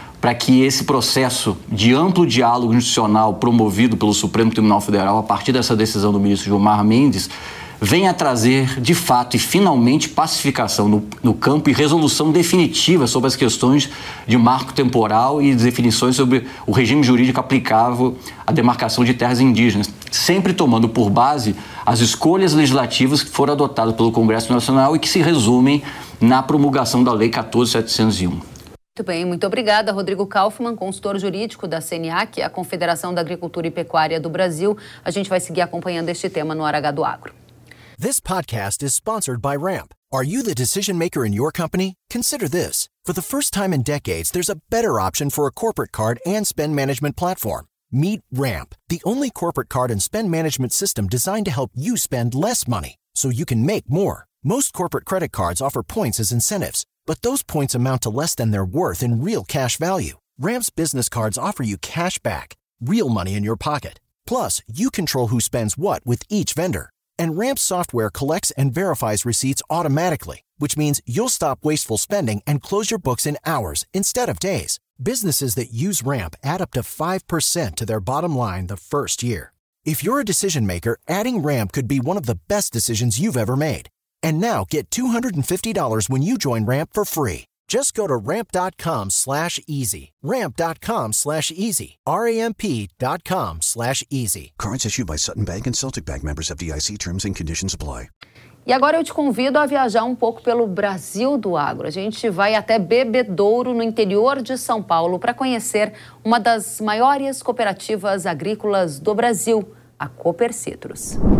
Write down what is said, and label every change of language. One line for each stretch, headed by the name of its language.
Portuguese: para que esse processo de amplo diálogo institucional promovido pelo Supremo Tribunal Federal a partir dessa decisão do ministro Gilmar Mendes venha trazer, de fato e finalmente, pacificação no campo e resolução definitiva sobre as questões de marco temporal e definições sobre o regime jurídico aplicável à demarcação de terras indígenas, sempre tomando por base as escolhas legislativas que foram adotadas pelo Congresso Nacional e que se resumem na promulgação da Lei 14.701. Muito bem, muito obrigada, Rodrigo Kaufmann, consultor jurídico da CNAAC, a Confederação da Agricultura e Pecuária do Brasil. A gente vai seguir acompanhando este tema no Hora H do Agro.
English: This podcast is sponsored by Ramp. Are you the decision maker in your company? Consider this. For the first time in decades, there's a better option for a corporate card and spend management platform. Meet Ramp, the only corporate card and spend management system designed to help you spend less money so you can make more. Most corporate credit cards offer points as incentives, but those points amount to less than their worth in real cash value. Ramp's business cards offer you cash back, real money in your pocket. Plus, you control who spends what with each vendor. And Ramp's software collects and verifies receipts automatically, which means you'll stop wasteful spending and close your books in hours instead of days. Businesses that use Ramp add up to 5% to their bottom line the first year. If you're a decision maker, adding Ramp could be one of the best decisions you've ever made. And now get $250 when you join Ramp for free. Just go to ramp.com/easy. ramp.com/easy. ramp.com/easy. Currents issued by Sutton Bank and Celtic Bank, members FDIC. Terms and conditions apply.
Portuguese: E agora eu te convido a viajar um pouco pelo Brasil do agro. A gente vai até Bebedouro, no interior de São Paulo, para conhecer uma das maiores cooperativas agrícolas do Brasil, a Cooper Citrus.